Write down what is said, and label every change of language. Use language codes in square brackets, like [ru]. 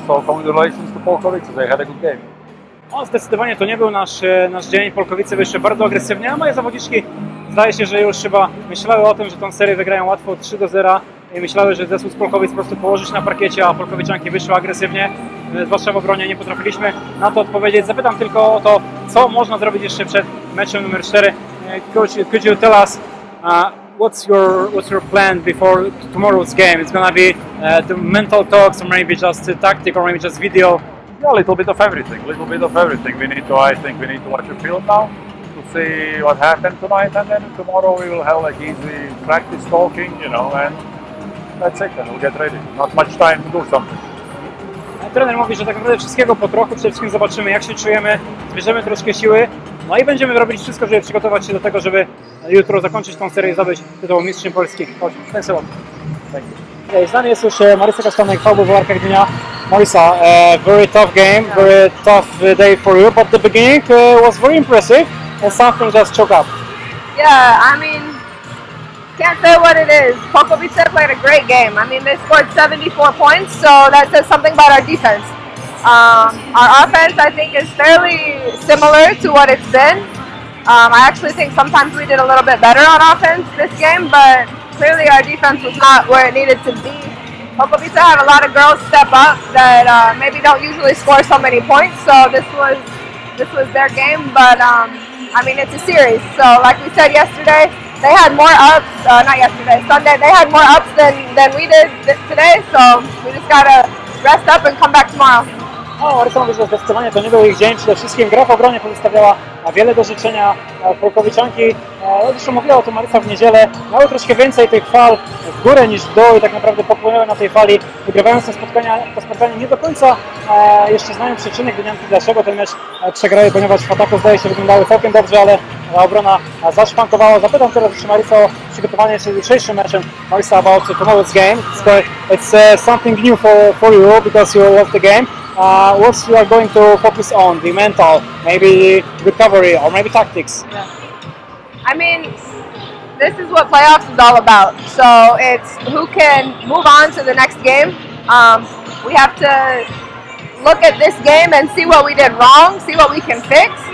[en] So congratulations to Polkowice, they had a good game. [pl] No, zdecydowanie to nie był nasz dzień. Polkowice wyszły bardzo agresywnie, a moje zawodniczki zdaje się, że już chyba myślały o tym, że tę serię wygrają łatwo 3-0 i myślały, że zespół z Polkowic po prostu położy się na parkiecie, a Polkowiczanki wyszły agresywnie, zwłaszcza w obronie nie potrafiliśmy na to odpowiedzieć. Zapytam tylko o to, co można zrobić jeszcze przed meczem numer 4. [en] Coach, could you tell us what's your plan before tomorrow's game? It's gonna be the mental talks, or maybe just the tactic, or maybe just video? Yeah, a little bit of everything. We need to watch a film now to see what happened tonight, and then tomorrow we will have like easy practice talking, you know, and that's it, and we'll get ready. Not much time to do something. [pl] Trener mówi, że tak naprawdę wszystkiego po trochu, przede wszystkim zobaczymy, jak się czujemy, zbierzemy troszkę siły, no i będziemy robić wszystko, żeby przygotować się do tego, żeby jutro zakończyć tą serię i zdobyć tytuł mistrzem Polski. Chodź, [en] thanks a lot. Thank you. [pl] Znany jest już Marisa Kostanek, Hałubarka Gdynia. [en] Marisa, very tough game, very tough day for you, but the beginning was very impressive and something just choke up. Yeah, I mean, can't say what it is. Polkowice played a great game. I mean, they scored 74 points, so that says something about our defense. Our offense, I think, is fairly similar to what it's been. I actually think sometimes we did a little bit better on offense this game, but clearly our defense was not where it needed to be. Polkowice had a lot of girls step up that maybe don't usually score so many points, so this was their game, but I mean, it's a series. So like we said yesterday, they had more ups, not yesterday, Sunday, they had more ups than we did today, so we just gotta rest up and come back tomorrow. [pl] No, Marysa mówi, że zdecydowanie to nie był ich dzień. Przede wszystkim gra w obronie pozostawiała wiele do życzenia Polkowiczanki. Zresztą mówiła o tym Marysa w niedzielę. Miały troszkę więcej tych fal w górę niż w dół i tak naprawdę popłynęły na tej fali, wygrywając to spotkanie nie do końca. Jeszcze znają przyczyny Gdynianki, dlaczego ten mecz przegrały, ponieważ w ataku zdaje się wyglądały całkiem dobrze, ale obrona zaszpankowała. Zapytam teraz jeszcze Marysa o przygotowanie się z jutrzejszym meczem. [en] Marysa, about tomorrow's game. It's something new for you, because you lost the game. what you are going to focus on, the mental, maybe recovery or maybe tactics? Yeah. I mean, this is what playoffs is all about. So it's who can move on to the next game. We have to look at this game and see what we did wrong, see what we can fix.